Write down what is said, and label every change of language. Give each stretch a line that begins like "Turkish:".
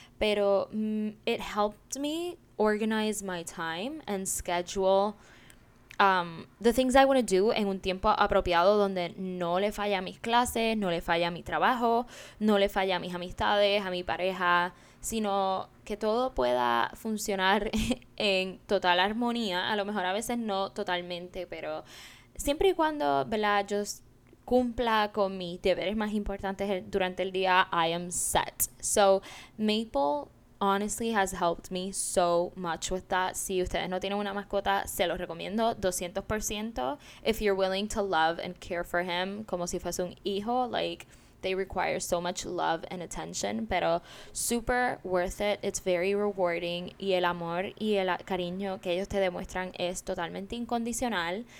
Spanish: Pero
English: it helped me organize my time and schedule the things I want to do
Spanish: en un tiempo apropiado donde no le falla a mis clases, no le falla a mi trabajo, no le falla a mis amistades, a mi pareja, sino que todo pueda funcionar en total armonía. A lo mejor a veces no totalmente, pero siempre y cuando, ¿verdad?, yo cumpla con mis deberes más importantes durante el día,
English: I am set. So, Maple honestly has helped me so much with that.
Spanish: Si ustedes no tienen una mascota, se los recomiendo 200%.
English: If you're willing to love and care for him
Spanish: como si fuese un hijo,
English: like, they require so much love and attention, pero super worth it. It's very rewarding.
Spanish: Y el amor y el cariño que ellos te demuestran es totalmente incondicional.